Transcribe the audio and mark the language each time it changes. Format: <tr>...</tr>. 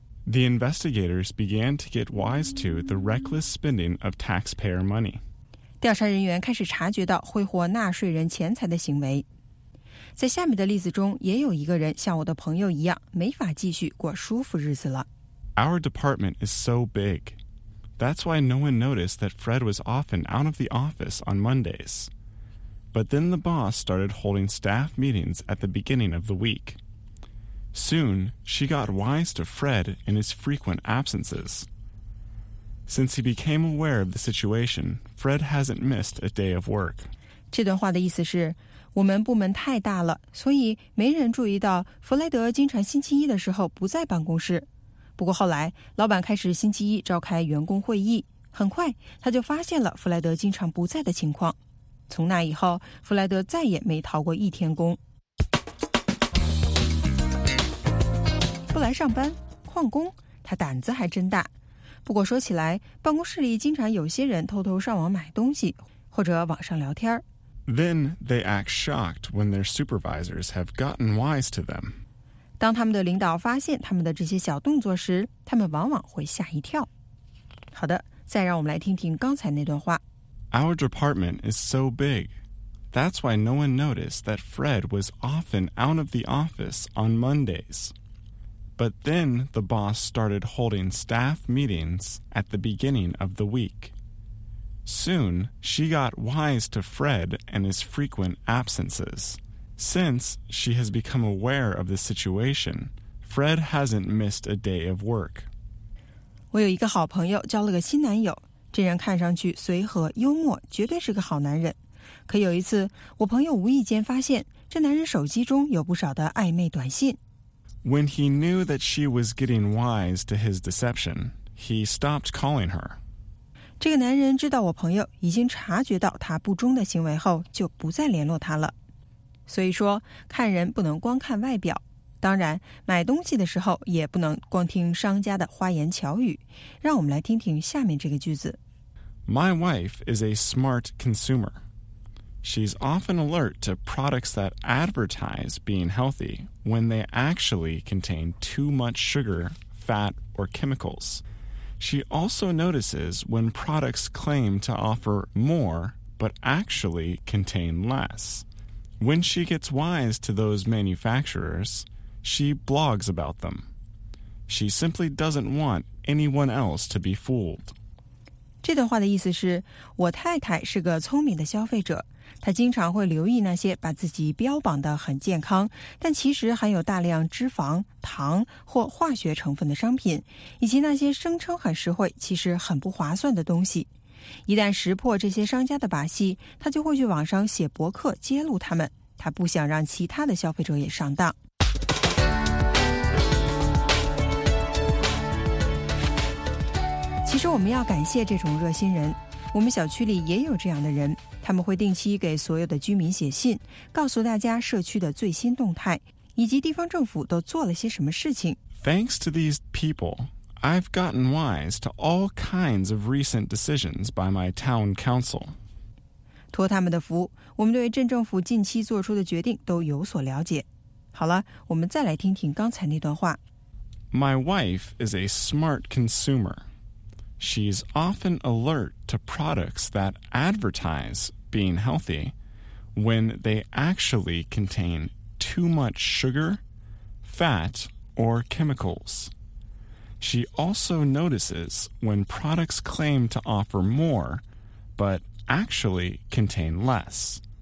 <en>The investigators began to get wise to the reckless spending of taxpayer money.</en> <zh>调查人员开始察觉到挥霍纳税人钱财的行为。在下面的例子中，也有一个人像我的朋友一样，没法继续过舒服日子了。</zh> <en>Our department is so big. That's why no one noticed that Fred was often out of the office on Mondays. But then the boss started holding staff meetings at the beginning of the week. Soon, she got wise to Fred in his frequent absences. Since he became aware of the situation, Fred hasn't missed a day of work.</en> <zh>这段话的意思是，我们部门太大了，所以没人注意到弗莱德经常星期一的时候不在办公室。不过后来，老板开始星期一召开员工会议，很快他就发现了弗莱德经常不在的情况。从那以后，弗莱德再也没逃过一天工。不来上班，旷工，他胆子还真大。不过说起来，办公室里经常有些人偷偷上网买东西，或者网上聊天。</zh> <en>Then they act shocked when their supervisors have gotten wise to them.</en> <zh>当他们的领导发现他们的这些小动作时，他们往往会吓一跳。好的，再让我们来听听刚才那段话。</zh> <en>Our department is so big. That's why no one noticed that Fred was often out of the office on Mondays. But then the boss started holding staff meetings at the beginning of the week. Soon, she got wise to Fred and his frequent absences. Since she has become aware of the situation, Fred hasn't missed a day of work.</en> <zh>我有一个好朋友交了个新男友，这人看上去随和幽默，绝对是个好男人。可有一次，我朋友无意间发现这男人手机中有不少的暧昧短信。</zh> <en>When he knew that she was getting wise to his deception, he stopped calling her.</en> <zh>这个男人知道我朋友已经察觉到他不忠的行为后，就不再联络他了。所以说，看人不能光看外表。当然，买东西的时候也不能光听商家的花言巧语。让我们来听听下面这个句子。</zh> <en>My wife is a smart consumer. She's often alert to products that advertise being healthy. When they actually contain too much sugar, fat, or chemicals. She also notices when products claim to offer more, but actually contain less. When she gets wise to those manufacturers, she blogs about them. She simply doesn't want anyone else to be fooled.</en> <zh>这段话的意思是，我太太是个聪明的消费者。他经常会留意那些把自己标榜得很健康，但其实含有大量脂肪、糖或化学成分的商品，以及那些声称很实惠，其实很不划算的东西。一旦识破这些商家的把戏，他就会去网上写博客揭露他们。他不想让其他的消费者也上当。其实我们要感谢这种热心人，我们小区里也有这样的人。他们会定期给所有的居民写信，告诉大家社区的最新动态，以及地方政府都做了些什么事情。</zh> <en>Thanks to these people, I've gotten wise to all kinds of recent decisions by my town council.</en> <zh>托他们的福，我们对镇政府近期做出的决定都有所了解。好了，我们再来听听刚才那段话。</zh> <en>My wife is a smart consumer. She's often alert to products that advertise being healthy when they actually contain too much sugar, fat, or chemicals. She also notices when products claim to offer more, but actually contain less.</en>